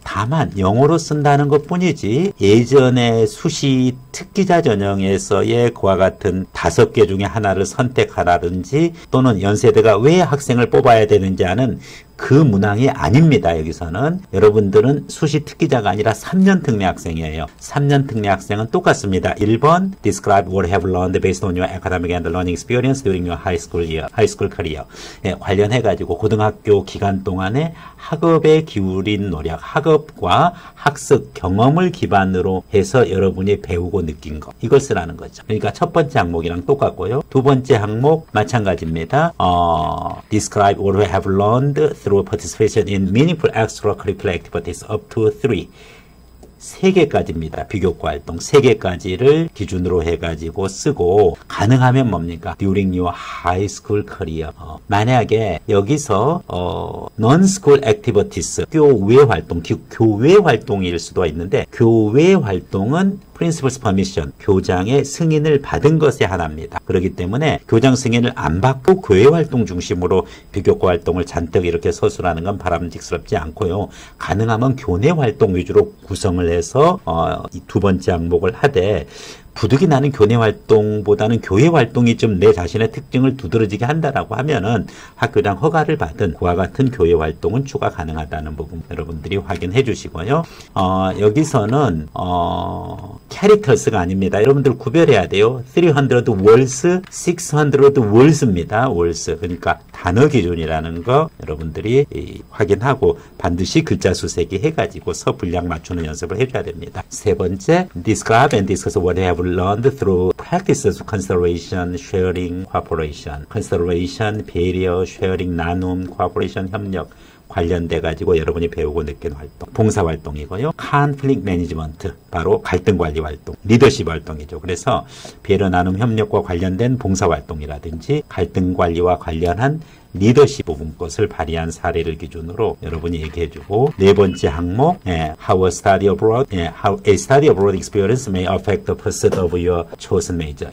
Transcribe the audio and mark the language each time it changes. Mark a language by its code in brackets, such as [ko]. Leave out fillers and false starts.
[ko] 다만 영어로 쓴다는 것뿐이지 예전에 수시 특기자 전형에서의 그와 같은 다섯 개 중에 하나를 선택하라든지 또는 연세대가 왜 학생을 뽑아야 되는지 하는 그 문항이 아닙니다. 여기서는 여러분들은 수시 특기자가 아니라 3년 특례 학생이에요. 3년 특례 학생은 똑같습니다. [en] 1번 Describe what have learned based on your academic and learning experience during your high school year, high school career. [ko] 관련해 가지고 고등학교 기간 동안에 학업에 기울인 노력, 학업과 학습 경험을 기반으로 해서 여러분이 배우고 느낀 것, 이걸 쓰라는 거죠. 그러니까 첫 번째 항목이랑 똑같고요. 두 번째 항목 마찬가지입니다. [en] Describe what have learned through participation in meaningful extracurricular activities up to [ko] 3 개까지입니다. 비교과 활동 3개까지를 기준으로 해가지고 쓰고 가능하면 뭡니까? [en] During your high school career. [ko] 만약에 여기서 [en] non-school activities, [ko] 교외 활동, 교외 활동일 수도 있는데 교외 활동은 [en] principal's permission, [ko] 교장의 승인을 받은 것에 하나입니다. 그렇기 때문에 교장 승인을 안 받고 교회 활동 중심으로 비교과 활동을 잔뜩 이렇게 서술하는 건 바람직스럽지 않고요. 가능하면 교내 활동 위주로 구성을 해서 이 두 번째 항목을 하되 부득이 나는 교내 활동보다는 교회 활동이 좀 내 자신의 특징을 두드러지게 한다라고 하면은 학교장 허가를 받은 그와 같은 교회 활동은 추가 가능하다는 부분 여러분들이 확인해 주시고요. 여기서는 캐릭터스가 아닙니다. 여러분들 구별해야 돼요. [en] 300 words, 600 words입니다. words. [ko] 그러니까 단어 기준이라는 거 여러분들이 확인하고 반드시 글자 수색이 해가지고 서 분량 맞추는 연습을 해줘야 됩니다. [en] 세 번째, describe and discuss what they have learned through practices of consideration, sharing, cooperation. consideration, failure, sharing, 나눔, cooperation, 협력. [ko] 관련돼가지고 여러분이 배우고 느낀 활동, 봉사활동이고요. [en] conflict management, [ko] 바로 갈등관리 활동, 리더십 활동이죠. 그래서 배려 나눔 협력과 관련된 봉사활동이라든지 갈등관리와 관련한 리더십 부분 것을 발휘한 사례를 기준으로 여러분이 얘기해주고 네 번째 항목 [en] How a study abroad, how a study abroad experience may affect the pursuit of your chosen major.